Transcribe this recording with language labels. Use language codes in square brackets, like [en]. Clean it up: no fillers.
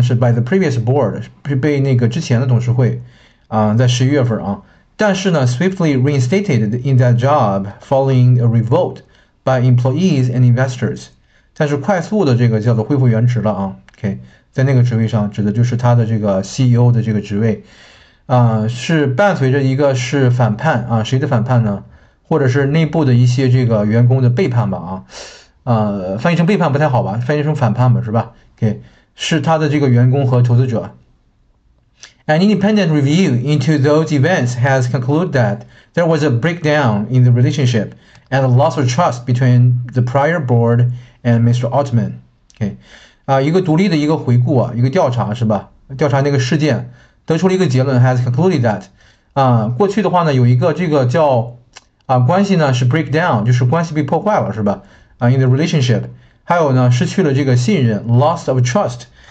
[zh] 是 [en] by the previous board， [zh] 被那个之前的董事会在11月份啊，但是呢， [en] swiftly reinstated in that job following a revolt by employees and investors， [zh] 但是快速的这个叫做恢复原职了OK，在那个职位上指的就是他的这个 CEO 的这个职位，是伴随着一个是反叛谁的反叛呢？或者是内部的一些这个员工的背叛吧翻译成背叛不太好吧，翻译成反叛吧是吧？OK，是他的这个员工和投资者。 [en] An independent review into those events has concluded that there was a breakdown in the relationship and a loss of trust between the prior board and Mr. Altman. [zh] OK，一个独立的一个回顾一个调查是吧？调查那个事件得出了一个结论， [en] has concluded that， [zh] 过去的话呢，有一个这个叫关系呢是 breakdown，就是关系被破坏了是吧？ [en] in the relationship， [zh] 还有呢失去了这个信任， [en] loss of trust。